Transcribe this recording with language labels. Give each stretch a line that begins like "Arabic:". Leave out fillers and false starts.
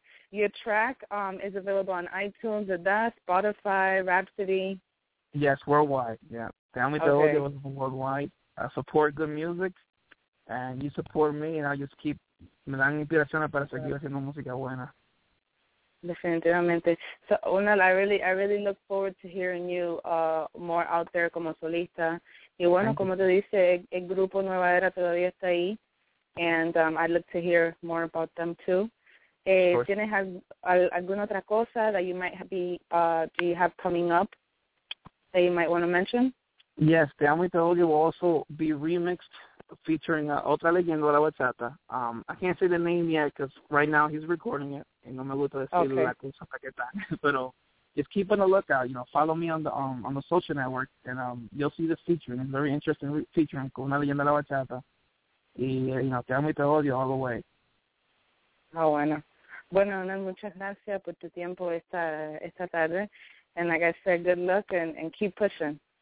English: Your track is available on iTunes, Spotify, Rhapsody. Yes, worldwide. Yeah. Family okay. Theology was worldwide. I support good music, and you support me, and I just keep.
Spanish: Me dan inspiración para seguir haciendo música buena. Definitivamente.
English: So, Unal, I really look forward to hearing you more out there
Spanish: como solista. Y bueno, como te dice, el grupo Nueva Era todavía está ahí.
English: And I'd love to hear more about them too.
Spanish: ¿Tienes alguna otra cosa
English: that you might be, do you have coming up that you might want to mention? Yes, Te Amo y Te Odio will also be remixed featuring
Spanish: otra leyenda de la bachata.
English: I can't say the name yet because right now he's recording it.
Spanish: Y no me gusta decir
English: okay.
Spanish: La cosa hasta que está. Pero...
English: Just keep on the lookout, you know, follow me on the social network, and you'll see this featuring. It's a very interesting featuring,
Spanish: con una leyenda de la bachata.
English: Y, you know, Te Amo y Te Odio all the way.
Spanish: Oh, bueno. Bueno, Unal, muchas gracias por tu tiempo esta tarde.
English: And like I said, good luck and keep pushing.